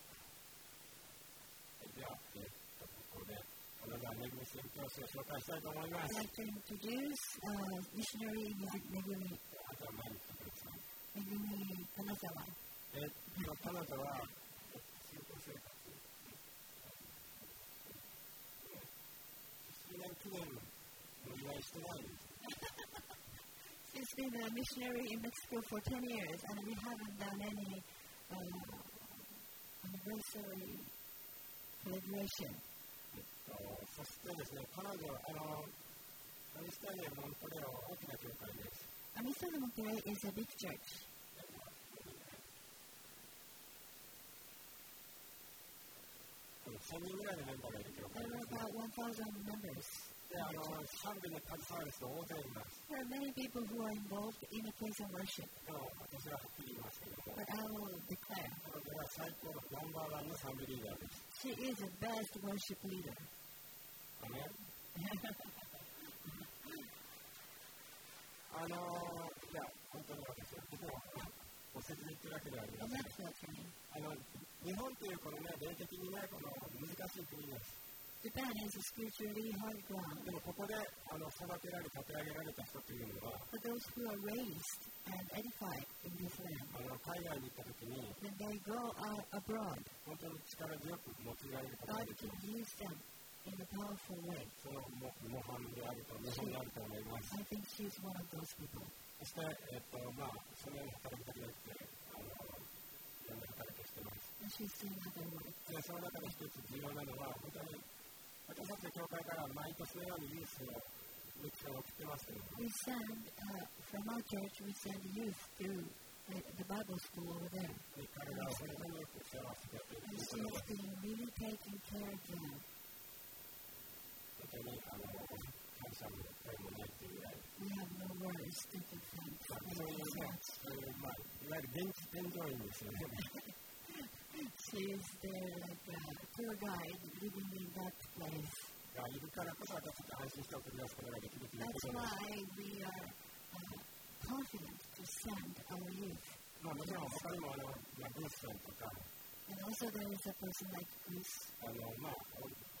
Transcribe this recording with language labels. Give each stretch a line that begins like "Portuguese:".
Japanese: といったところで、金沢めぐみ宣教師を紹介したいと思います。
English: I'd like to introduce missionary めぐみ。
Japanese: 金沢めぐみさん。めぐみ、金沢。金沢は、宣教生活。 10年記念のお祝いしてないんです。
English: She's been a missionary in Mexico for 10 years, and we haven't done any anniversary celebration.
Japanese: そしてですね、彼女はアミスタリア・モントレオ大きな教会です。
English: アミスタリア・モントレオ is a big church.
Japanese: でも1000人ぐらいのメンバーがいる教会です。
English: There are about 1,000 members.
Japanese: 賛美に携わる人は大勢います。
English: There are many people who are involved in the place of worship.
Japanese: 私ははっきり言いますけど、
English: But I will declare
Japanese: 彼女は最高のナンバーワンの賛美リーダーです。
English: She is the best worship leader.
Japanese: アメン。いや、本当に私はここはお説明言ってるわけではありません。
English: That's not funny.
Japanese: 日本というこのね、霊的にね、この難しい国です。
English: Japan is a spiritually hard ground.
Japanese: でもここで育てられ、立て上げられた人というのは、
English: But those who are raised and edified in this land,
Japanese: 海外に行った時に、
English: When they go out abroad,
Japanese: 本当に力強く用いられる方ができる。
English: God can use them in a powerful way.
Japanese: その模範であると、見本であると思います。
English: I think she is one of those people.
Japanese: そして、そのように働きたくなくて、いろんな働きをしてます。
English: And she's doing other work.
Japanese: で、その中で一つ重要なのは、本当に、私たちの教会から毎年のようにユースを、ミッションを送ってますけども。
English: We send, from our church, we send youth to the Bible school over there.
Japanese: 彼らは本当によく世話をしてくれている。そういう、いわゆる現地添乗員ですよね。
English: She is there like a tour guide living in that place. That's why we are confident to send our youth. And also there is a person like Bruce. And also Denise, who was a missionary.